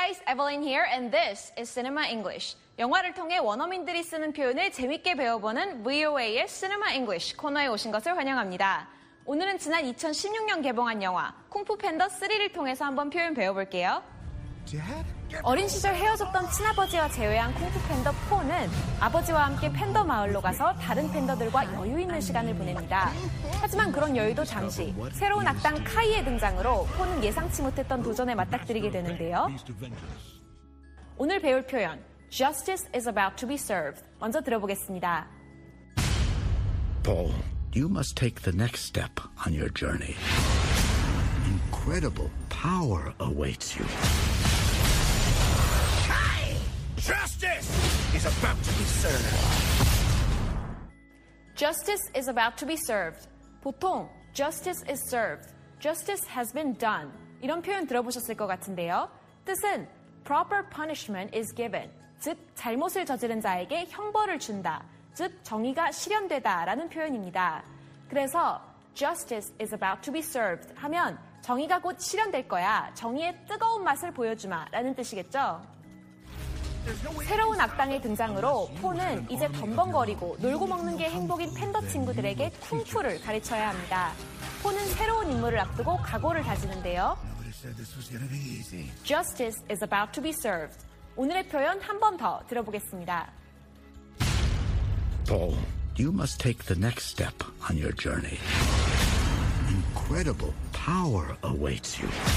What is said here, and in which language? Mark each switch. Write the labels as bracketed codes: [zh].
[en] Evelyn here, and this is Cinema English. [ko] 영화를 통해 원어민들이 쓰는 표현을 재밌게 배워보는 VOA의 Cinema English 코너에 오신 것을 환영합니다. 오늘은 지난 2016년 개봉한 영화 쿵푸 팬더 3를 통해서 한번 표현 배워볼게요. 어린 시절 헤어졌던 친아버지와 재회한 쿵푸 팬더 4는 아버지와 함께 팬더 마을로 가서 다른 팬더들과 여유 있는 시간을 보냅니다. 하지만 그런 여유도 잠시 새로운 악당 카이의 등장으로 4는 예상치 못했던 도전에 맞닥뜨리게 되는데요. 오늘 배울 표현 [en] Justice is about to be served [ko] 먼저 들어보겠습니다. [en] Paul, you must take the next step on your journey. Incredible power awaits you. Justice is about to be served. Justice is about to be served. [ko] 보통 [en] justice is served. Justice has been done. [ko] 이런 표현 들어보셨을 것 같은데요. 뜻은 [en] proper punishment is given. [ko] 즉 잘못을 저지른 자에게 형벌을 준다. 즉 정의가 실현되다라는 표현입니다. [en] 그래서 justice is about to be served [ko] 하면 정의가 곧 실현될 거야. 정의의 뜨거운 맛을 보여주마라는 뜻이겠죠. 새로운 악당의 등장으로 포는 이제 덤벙거리고 놀고 먹는 게 행복인 팬더 친구들에게 쿵푸를 가르쳐야 합니다. 포는 새로운 임무를 앞두고 각오를 다지는데요. [en] Justice is about to be served. [ko] 오늘의 표현 한 번 더 들어보겠습니다. [en] Paul, you must take the next step on your journey. Incredible power awaits you.